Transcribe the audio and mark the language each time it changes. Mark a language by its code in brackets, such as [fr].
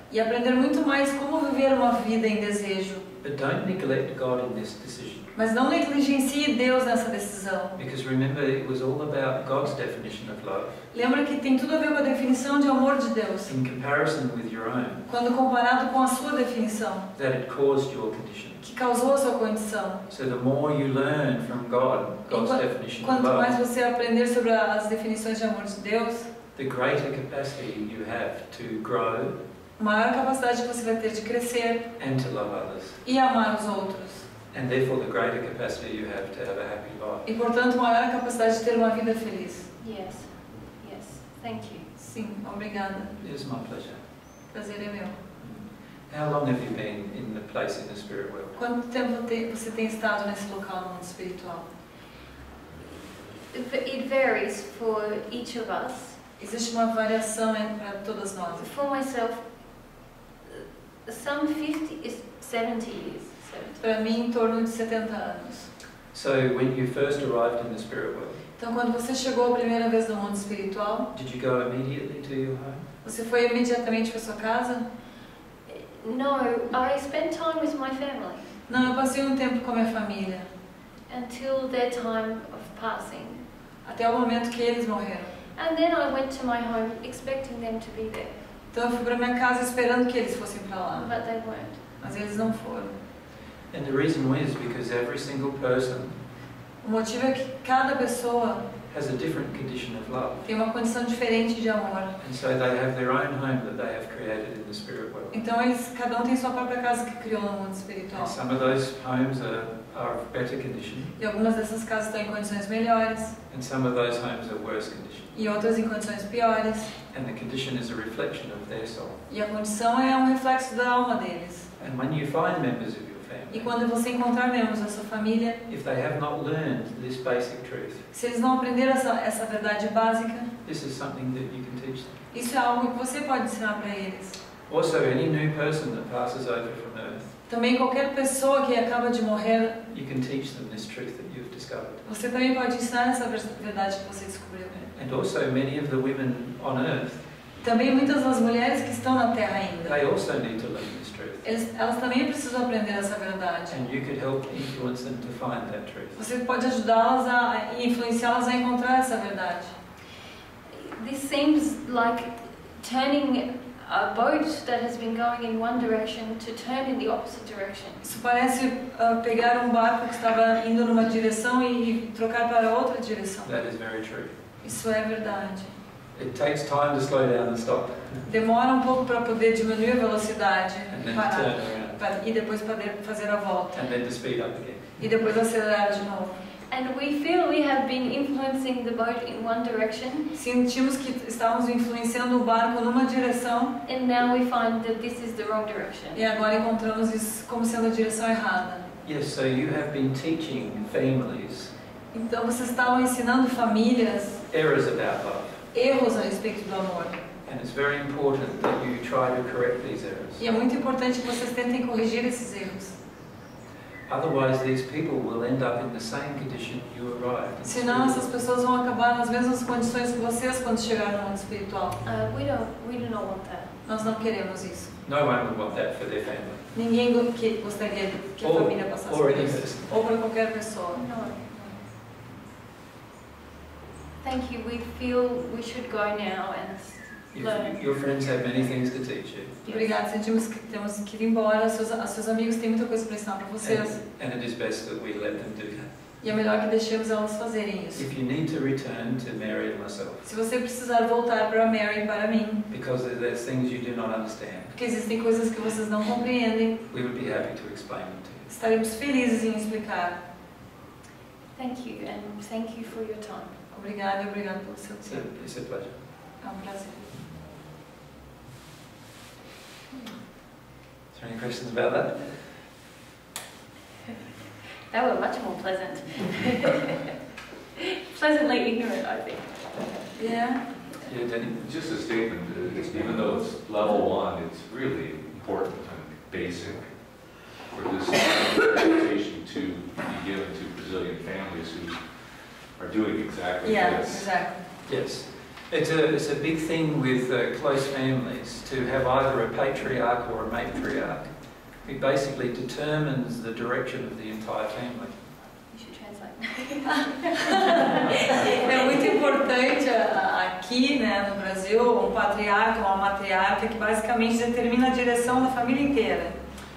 [pt] E aprender muito mais como viver uma vida em desejo. [en] But don't neglect God in this decision. [pt] Mas não negligencie Deus nessa decisão. [en] Because remember, it was all about God's definition of love. [pt] Lembra que tem tudo a ver com a definição de amor de Deus. [en] In comparison with your own. [pt] Quando comparado com a sua definição. [en] That it caused your condition. [pt] Que causou a sua condição. [en] So the more you learn from God, God's definition of love. [pt] Quanto mais você aprender sobre as definições de amor de Deus. [en] The greater capacity you have to grow. [pt] Maior capacidade que você vai ter de crescer [en] and to love others. [pt] E amar os outros. [en] And therefore the greater capacity you have to have a happy life. [pt] E portanto maior capacidade de ter uma vida feliz. [en] Yes. Yes. Thank you. [pt] Sim, obrigada. [en] It's my pleasure. [pt] Prazer é meu. [en] How long have you been in the place in the spirit world? [pt] Quanto tempo você tem estado nesse local no mundo espiritual? [en] It varies for each of us. [pt] Existe uma variação para todas nós. [en] For myself, some 50 is 70 years. [pt] Para mim, em torno de 70 anos. [en] So when you first arrived in the spirit world. [pt] Então quando você chegou a primeira vez no mundo espiritual. [en] Did you go immediately to your home? [pt] Você foi imediatamente para sua casa? [en] No, I spent time with my family. [pt] Não, eu passei tempo com a minha família. [en] Until their time of passing. [pt] Até o momento que eles morreram. [en] And then I went to my home expecting them to be there. [pt] Então eu fui para minha casa esperando que eles fossem para lá. [en] But they weren't. [pt] Mas eles não foram. [en] And the reason is because every single person. [pt] O motivo é que cada pessoa [en] has a different condition of love. [pt] Tem uma condição diferente de amor. [en] And so they have their own home that they have created in the spirit world. [pt] Então eles, cada tem sua própria casa que criou no mundo espiritual. [en] And some of those homes are of better condition. [pt] E algumas dessas casas estão em condições melhores. [en] And some of those homes are worse condition. [pt] E outras em condições piores. [en] And the condition is a reflection of their soul. [pt] E a condição é reflexo da alma deles. [en] And when you find members of your family, [pt] e quando você encontrar membros da sua família, [en] if they have not learned this basic truth, [pt] se eles não aprenderam essa verdade básica, [en] this is something that you can teach them. [pt] Isso é algo que você pode ensinar para eles. [en] Also, any new person that passes over from earth, [pt] também qualquer pessoa que acaba de morrer, [en] you can teach them this truth that you've discovered. [pt] Você também pode ensinar essa verdade que você descobriu. [en] And also many of the women on earth. [pt] Também muitas das mulheres que estão na Terra ainda. [en] They also need to learn this truth. [pt] Elas também precisam aprender essa verdade. [en] And you could help influence them to find that truth. [pt] Você pode ajudá-las a influenciá-las a encontrar essa verdade. [en] This seems like turning a boat that has been going in one direction to turn in the opposite direction. [pt] Isso parece pegar barco que estava indo numa direção e trocar para outra direção. [en] That is very true. [pt] Isso é verdade. [en] It takes time to slow down and stop. [pt] Demora pouco para poder diminuir a velocidade [en] and then [pt] parar, [en] to turn around. [pt] E depois poder fazer a volta. [en] And then to speed up again. [pt] E depois acelerar de novo. [en] And we feel we have been influencing the boat in one direction. [pt] Sentimos que estávamos influenciando o barco numa direção. [en] And now we find that this is the wrong direction. [pt] E agora encontramos isso como sendo a direção errada. [en] Yes, so you have been teaching families. [pt] Então vocês estavam ensinando famílias. [en] Errors about love. [pt] Erros a respeito do amor. [en] And it's very important that you try to correct these errors. [pt] E é muito importante que vocês tentem corrigir esses erros. [en] Otherwise, these people will end up in the same condition you arrived. [pt] Senão, essas pessoas vão acabar nas mesmas condições que vocês quando chegaram no mundo espiritual. [en] We don't want that. [pt] Nós não queremos isso. [en] No one would want that for their family. [pt] Ninguém gostaria que a família passasse por isso. Ou para qualquer pessoa. [en] No. Thank you. We feel we should go now and learn. Your friends have many things to teach you. [pt] Obrigada. Sentimos que temos que ir embora. Seus amigos têm muita coisa para ensinar para vocês. [en] And it is best that we let them do that. [pt] E é melhor que deixemos elas fazerem isso. [en] If you need to return to Mary and myself. [pt] Se você precisar voltar para Mary e para mim. [en] Because there's things you do not understand. [pt] Porque existem coisas que vocês não compreendem. [en] We would be happy to explain them to you. [pt] Estaremos felizes em explicar. [en] Thank you and thank you for your time. [pt] Obrigada, obrigado pelo seu tempo. [en] It's a pleasure. [pt] É um prazer. [en] Is there any questions about that? That was much more pleasant. Pleasantly ignorant, I think. Yeah. Yeah, Danny. Just a statement. Even though it's level one, it's really important and basic for this presentation to be given to Brazilian families who are doing exactly this. Yeah, exactly. Yes. It's a big thing with close families to have either a patriarch or a matriarch. It basically determines the direction of the entire family. You should translate. [pt] É muito importante aqui, né, no Brasil, patriarca ou matriarca que basicamente determina a direção da família inteira.